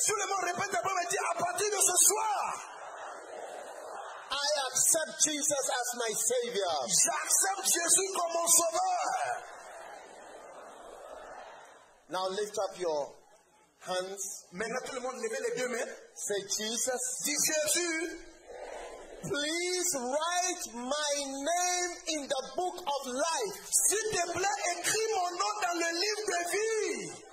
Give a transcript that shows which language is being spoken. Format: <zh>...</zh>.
<fr>Tout le monde répète après moi, dit à partir de ce soir.</fr> <en>I accept Jesus as my Savior.</en> <fr>J'accepte Jésus comme mon sauveur.</fr> <en>Now lift up your hands.</en> <fr>Maintenant tout le monde lève les deux mains.</fr> <en>Say Jesus.</en> <fr>Dis Jésus.</fr> <en>Please write my name in the book of life.</en> <fr>S'il te plaît, écris mon nom dans le livre de vie.</fr>